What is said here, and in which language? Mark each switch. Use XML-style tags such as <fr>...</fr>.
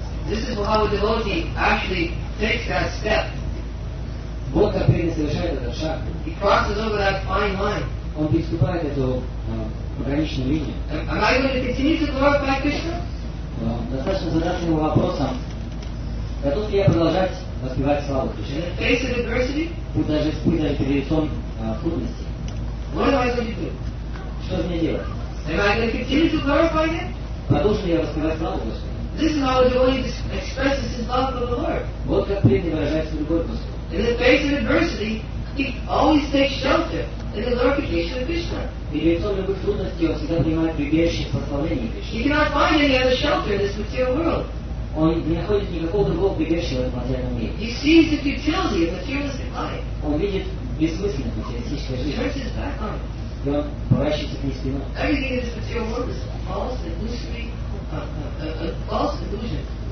<en>This is how a devotee actually takes that step.</en> <ru>Вот как преданный совершает этот шаг.</ru> <en>He crosses over that fine line.</en> <ru>Он переступает эту пограничную линию.</ru> <en>Am I going to continue to glorify Krishna?</en> <ru>Достаточно задать ему вопросом, готов ли я продолжать воспевать славу Кришне?</ru> <en>In the face of adversity?</en> <ru>Пусть даже перед лицом трудностей.</ru> <en>What am I going to do?</en> <ru>Что мне делать?</ru> <en>Am I going to continue to glorify him?</en> <ru>Продолжу ли я воспевать славу Кришне?</ru> <en>This is how the devotee expresses his love for the Lord.</en> <ru>Вот как преданный выражает свою любовь к Господу.</ru> <en>In the face of adversity, he always takes shelter in the glorification of Krishna.</en> <ru>Перед лицом любых трудностей он всегда принимает прибежище в прославлении Кришны.</ru> <en>He cannot find any other shelter in this material world.</en> <ru>Он не находит никакого другого прибежища в этом материальном мире.</ru> <en>He sees the futility of materialistic life.</en> <ru>Он видит бессмысленность материалистической жизни.</ru> <en>He turns his back on it.</en> <ru>И он поворачивается к ней спиной.</ru> <en>Everything in this material world is false, illusory, false illusion.</en>